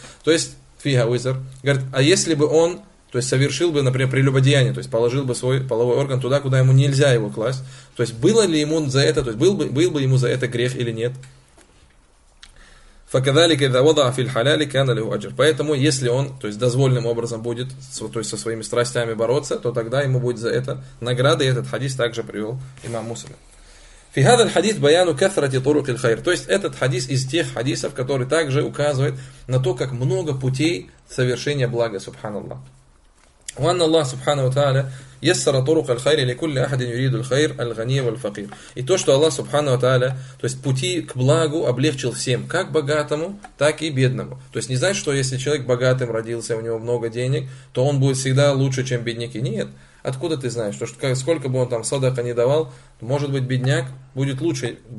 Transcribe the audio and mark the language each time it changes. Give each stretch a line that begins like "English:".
Russian: То есть, говорит, а если бы он, то есть совершил бы, например, прелюбодеяние, то есть положил бы свой половой орган туда, куда ему нельзя его класть, то есть было ли ему за это, то есть был бы ему за это грех или нет?
Arabic: فَكَذَلِكَ إِذَا وَضَعَ فِي الْحَلَالِ كَانَ لِهُ أَجْرٌ.
Russian: Поэтому, если он, то есть дозволенным образом будет, то есть со своими страстями бороться, то тогда ему будет за это награда, и этот хадис также привел имам Муслим.
Arabic: في هذا الحديث بيان كثرة طرق الخير.
Russian: То есть этот хадис из тех хадисов, который также указывает на то, как много путей совершения блага, субханаллах.
Arabic: وأن الله سبحانه وتعالى يسر طرق الخير لكل أحد يريد الخير الغني والفقير.
Russian: И то, что Аллах سبحانه وتعالى, то есть пути к благу облегчил всем, как богатому, так и бедному. То есть не значит, что если человек богатым родился, у него много денег, то он будет всегда лучше, чем бедняки. Нет. Откуда ты знаешь, что сколько бы он там садака не давал, может быть, бедняк будет лучше.